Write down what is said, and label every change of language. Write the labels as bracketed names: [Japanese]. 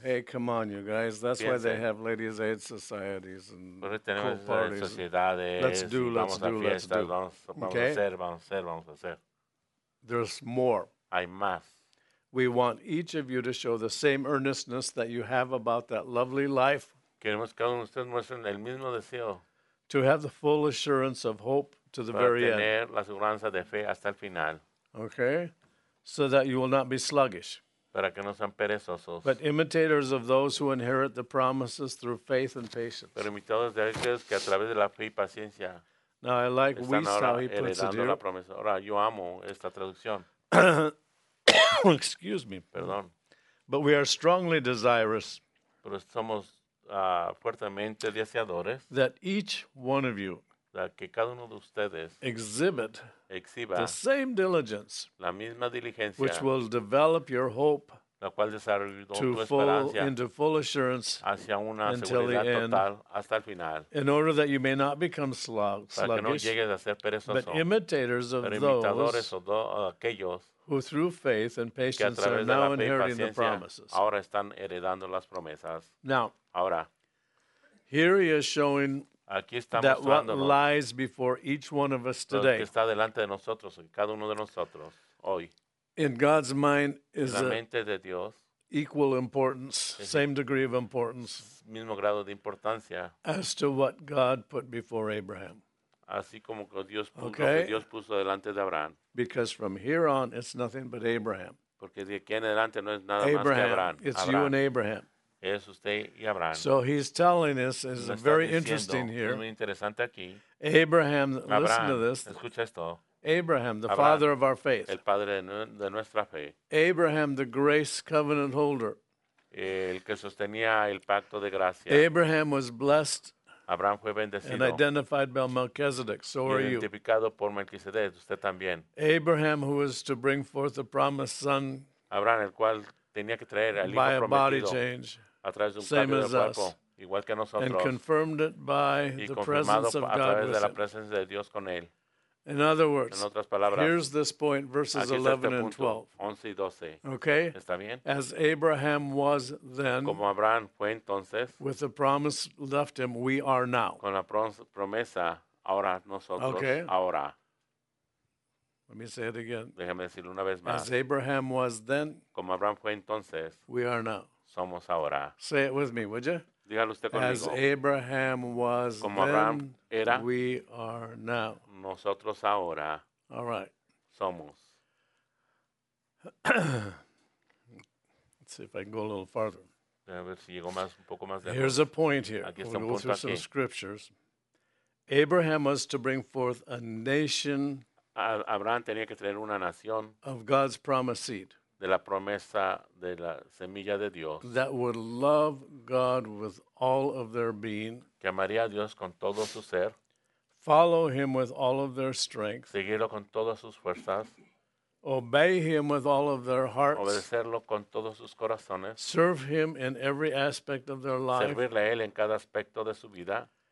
[English] Hey, come on, you guys. That's Piense. Why they have ladies' aid societies and [Spanish] tenemos [English] cool parties. [Spanish] Sociedades. [English] Let's do, let's [Spanish] vamos [English] do, [Spanish] a fiestas, [English] let's do. [Spanish] Vamos, okay. vamos a hacer, vamos a hacer, vamos a hacer. [English] There's more. [Spanish] Hay más. [English] We want each of you to show the same earnestness that you have about that lovely life. [Spanish] Queremos que cada uno de ustedes muestre el mismo deseo. [English] To have the full assurance of hope to the very end. [Spanish] Para tener la seguridad de fe hasta el final. [English] Okay. So that you will not be sluggish. [Spanish] Para que no sean perezosos. [English] But imitators of those who inherit the promises through faith and patience. [Spanish] Pero imitadores de aquellos que a través de la fe y paciencia. [English] Now I like [Spanish] están [English] how he puts it here. [Spanish] La promesa. Ahora yo amo esta traducción. [English] Excuse me. [Spanish] Perdón. [English] But we are strongly desirous. [Spanish] Pero somos fuertemente deseadores [English] that each one of you [Spanish] que cada uno de ustedes [English] exhibit [Spanish] exhiba [English] the same diligence [Spanish] la misma diligencia [English] which will develop your hope [Spanish] la cual desarrolló [English] to full, into full assurance [Spanish] hacia una [English] until [Spanish] seguridad total [English] end, [Spanish] hasta el final [English] in order that you may not become sluggish [Spanish] para que no llegues a ser perezoso [English] but imitators of [Spanish] imitadores [English] those [Spanish] aquellos [English] who through faith and patience are now inheriting the promises. [Spanish] Ahora están heredando las promesas. [English] Now, [Spanish] ahora, [English] here he is showing [Spanish] aquí está [English] that what lies before each one of us today. [Spanish] Que está delante de nosotros, cada uno de nosotros, hoy. [English] In God's mind is [Spanish] la mente de Dios, [English] equal importance, same degree of importance [Spanish] mismo grado de importancia, [English] as to what God put before Abraham. [Spanish] Así como que Dios puso, [English] okay. [Spanish] Dios puso delante de Abraham. [English] Because from here on, it's nothing but Abraham. [Spanish] Porque de aquí en adelante no es nada Abraham, más que Abraham. [English] It's Abraham. You and Abraham. [Spanish] Es usted y Abraham. [English] So he's telling us, it's very interesting here. [Spanish] Muy interesante aquí. [English] Abraham, listen to this. [Spanish] Escucha esto. [English] Abraham, the [Spanish] Abraham, [English] father of our faith. [Spanish] El padre de nuestra fe. [English] Abraham, the grace covenant holder. [Spanish] El que sostenía el pacto de gracia. [English] Abraham was blessed. [Spanish] Abraham fue bendecido. [English] And identified by Melchizedek, so are you. [Spanish] Identificado por Melchizedek, usted también. [English] Abraham, who was to bring forth the promised son. [Spanish] Abraham, el cual tenía que traer al hijo [English] by [Spanish] prometido. [English] By a body change. [Spanish] A través de un [English] same [Spanish] cambio [English] as [Spanish] de [English] us. [Spanish] Cuerpo, igual que nosotros. [English] And confirmed it by the presence of God. [Spanish] A través de la presencia de Dios con él. [English] In other words, [Spanish] en otras palabras, [English] here's this point, verses 11 and 12. [Spanish] 11 y 12. [English] Okay? [Spanish] ¿Está bien? [English] As Abraham was then, [Spanish] como Abraham fue entonces, [English] with the promise left him, we are now. [Spanish] Con la promesa, ahora nosotros, [English] okay. [Spanish] ahora. [English] Let me say it again. [Spanish] Déjame decirlo una vez más. [English] As Abraham was then, [Spanish] como Abraham fue entonces, [English] we are now. [Spanish] Somos ahora. [English] Say it with me, would you? [Spanish] Dígalo usted conmigo. [English] As Abraham was [Spanish] como Abraham [English] then, [Spanish] era, [English] we are now. [Spanish] Nosotros ahora [English] All right. [Spanish] somos. [English] Let's see if I can go a little farther. [Spanish] A ver si llego más, un poco más de [English] Here's [Spanish] más. [English] A point here. [Spanish] Aquí está [English] We'll go through [Spanish] aquí. [English] Some scriptures. Abraham was to bring forth a nation [Spanish] Abraham tenía que traer una nación [English] of God's promised seed. [Spanish] de la promesa de la semilla de Dios. [English] That would love God with all of their being. [Spanish] Que amaría a Dios con todo su ser. [English] Follow him with all of their strength. [Spanish] Seguirlo con todas sus fuerzas. [English] Obey him with all of their hearts. [Spanish] Obedecerlo con todos sus corazones. [English] Serve him in every aspect of their life. [Spanish] Servirle a él en cada aspecto de su vida.